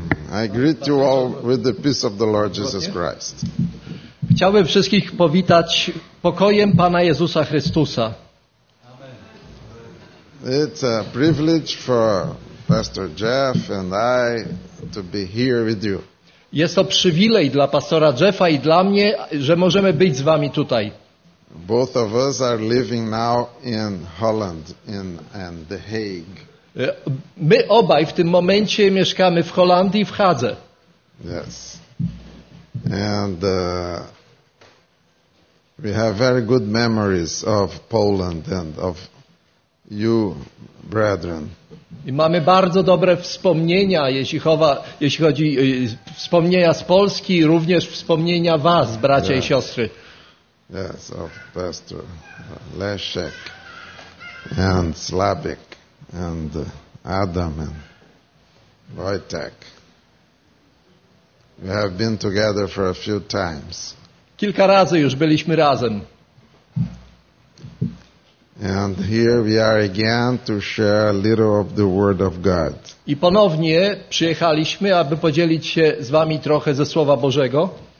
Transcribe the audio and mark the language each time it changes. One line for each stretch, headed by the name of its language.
English: I greet you all with the peace of the Lord Jesus Christ.
Polish: Chciałbym wszystkich powitać pokojem Pana Jezusa Chrystusa.
English: It's a privilege for Pastor Jeff and I to be here with you.
Polish: Jest to przywilej dla pastora Jeffa i dla mnie, że możemy być z wami tutaj.
English: Both of us are living now in Holland in The Hague.
Polish: My obaj w tym momencie mieszkamy w Holandii w Hadze.
English: Yes. And we have very good memories of Poland and of you, brethren.
Polish: I mamy bardzo dobre wspomnienia, jeśli chodzi wspomnienia z Polski, również wspomnienia was, bracia i siostry.
English: Yes, of Pastor Leszek and Slabik and Adam and Wojtek. We have been together for a few times.
Polish: Kilka razy już byliśmy razem.
English: And here we are again to share a little of the Word of God.
Polish: I ponownie przyjechaliśmy, aby podzielić się z wami trochę ze Słowa Bożego.